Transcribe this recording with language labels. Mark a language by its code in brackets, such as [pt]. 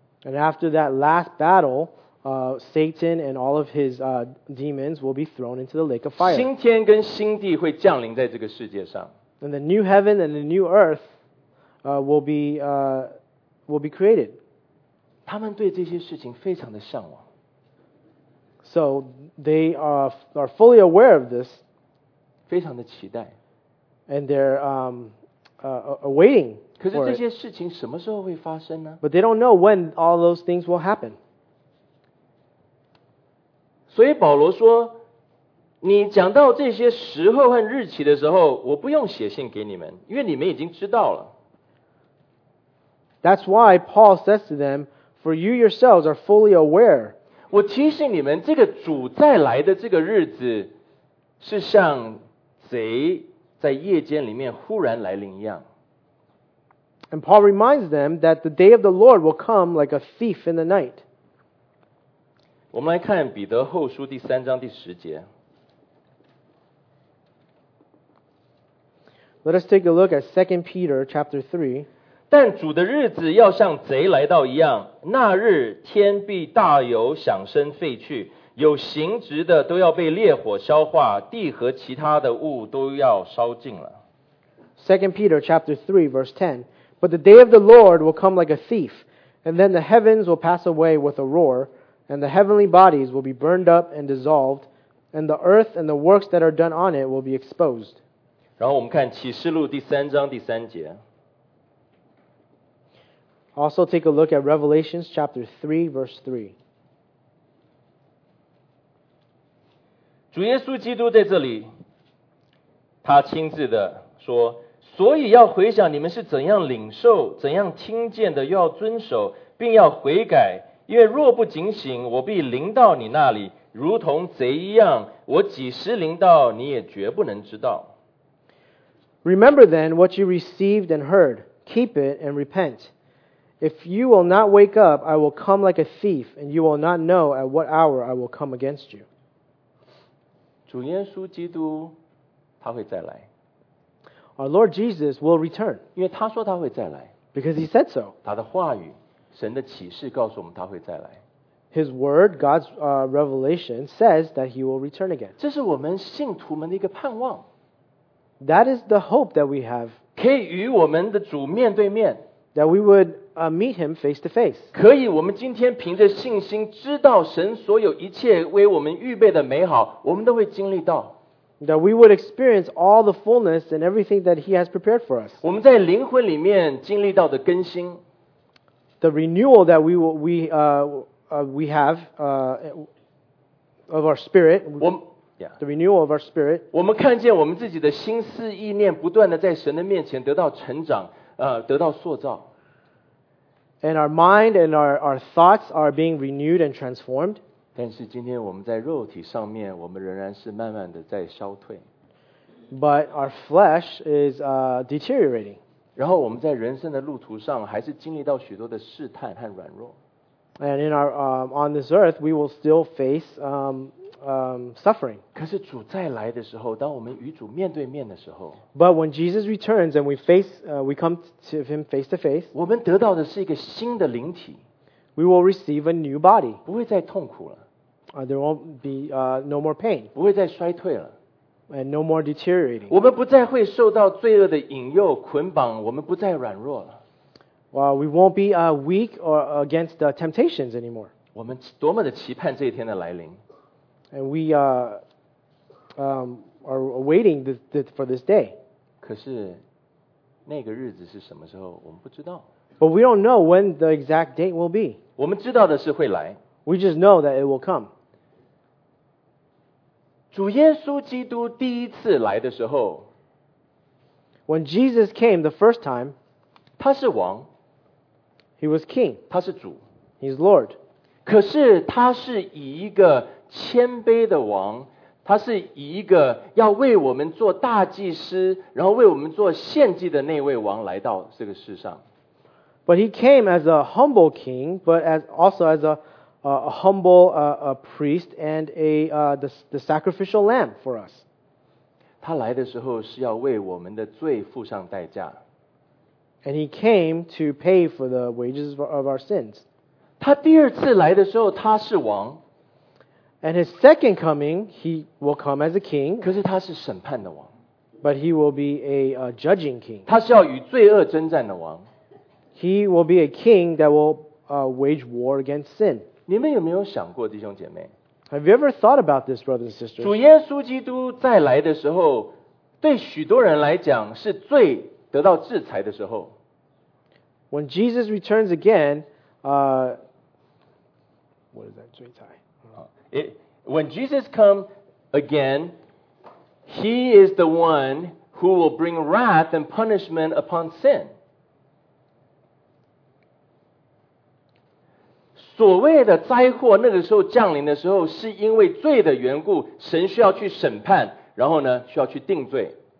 [en] And after that last battle, Satan and all of his demons will be thrown into the lake of fire. [zh] 新天跟新地会降临在这个世界上。 [en] And the new heaven and the new earth will be created. [zh] 他们对这些事情非常的向往。 [en] So they are fully aware of this. [zh] 非常的期待。 [en] And they're awaiting. [zh] 可是这些事情什么时候会发生呢？ [en] But they don't know when all those things will happen. [zh] 所以保罗说，你讲到这些时候和日期的时候，我不用写信给你们，因为你们已经知道了。 [en] That's why Paul says to them, for you yourselves are fully aware. [zh] 我提醒你们，这个主再来的这个日子是像贼在夜间里面忽然来临一样。 [en] And Paul reminds them that the day of the Lord will come like a thief in the night. [zh] 我们来看彼得后书第三章第十节。 [en] Let us take a look at 2 Peter chapter 3. [zh] 但主的日子要像贼来到一样，那日天必大有响声废去，有行职的都要被烈火消化，地和其他的物都要烧尽了。 [en] 2 Peter chapter 3 verse 10 But the day of the Lord will come like a thief, and then the heavens will pass away with a roar, and the heavenly bodies will be burned up and dissolved, and the earth and the works that are done on it will be exposed. [zh] 然后我们看启示录第三章第三节。 [en] Also take a look at Revelation chapter 3 verse 3 [zh] 主耶稣基督在这里，他亲自的说，所以要回想你们是怎样领受、怎样听见的，又要遵守，并要悔改，因为若不警醒，我必临到你那里，如同贼一样，我几时临到，你也绝不能知道。 [en] Remember then what you received and heard. keep it and repent. If you will not wake up, I will come like a thief, and you will not know at what hour I will come against you. [zh] 主耶稣基督他会再来。 [en] Our Lord Jesus will return. [zh] 因为他说他会再来。 [en] Because he said so. [zh] 他的话语，神的启示告诉我们他会再来。 [en] His word, God's revelation, says that he will return again. [zh] 这是我们信徒们的一个盼望。 [en] That is the hope that we have. [zh] 可以与我们的主面对面。 [en] That we would meet him face to face. [zh] 可以我们今天凭着信心知道神所有一切为我们预备的美好，我们都会经历到。 [en] That we would experience all the fullness and everything that he has prepared for us. [zh] 我们在灵魂里面经历到的更新。 [en] The renewal that we have of our spirit. The renewal of our spirit. [zh] 我们看见我们自己的心思意念不断地在神的面前得到成长，得到塑造。 [en] And our mind and our thoughts are being renewed and transformed. [zh] 但是今天我们在肉体上面，我们仍然是慢慢的在消退。 [en] But our flesh is deteriorating. [zh] 然后我们在人生的路途上，还是经历到许多的试探和软弱。 [en] And in our on this earth, we will still face suffering. [zh] 可是主再来的时候，当我们与主面对面的时候 [en] ，But when Jesus returns and we come to him face to face, [zh] 我们得到的是一个新的灵体。 [en] We will receive a new body. [zh] 不会再痛苦了。 [en] There won't be no more pain. [zh] 不会再衰退了。 [en] And no more deteriorating. [zh] 我们不再会受到罪恶的引诱捆绑，我们不再软弱了。 [en] Well, we won't be weak or against the temptations anymore. [zh] 我们多么的期盼这一天的来临。 [en] And we are waiting for this day. [zh] 可是那个日子是什么时候我们不知道。 [en] But we don't know when the exact date will be. [zh] 我们知道的是会来。 [en] We just know that it will come. [zh] 主耶稣基督第一次来的时候 [en] When Jesus came the first time, [zh] 他是王。 [en] He was king. [zh] 他是主。 [en] He's Lord. [zh] 可是他是以一个谦卑的王，他是以一个要为我们做大祭司，然后为我们做献祭的那位王来到这个世上。 [en] But he came as a humble king, but as also as a humble a priest and the sacrificial lamb for us. [zh] 他来的时候是要为我们的罪付上代价。 [en] And he came to pay for the wages of our sins. [zh] 他第二次来的时候他是王。 [en] And his second coming, he will come as a king. [zh] 可是他是审判的王。 [en] But he will be a judging king. [zh] 他是要与罪恶征战的王。 [en] He will be a king that will wage war against sin. [zh] 你们有没有想过弟兄姐妹? [en] Have you ever thought about this, brothers and sisters? [zh] 主耶稣基督再来的时候,对许多人来讲是罪。得到制裁的时候 [en] When Jesus returns again, what is that? [zh] 罪裁 [en] When Jesus comes again, he is the one who will bring wrath and punishment upon sin. [zh] 所谓的灾祸那个时候降临的时候是因为罪的缘故神需要去审判然后呢需要去定罪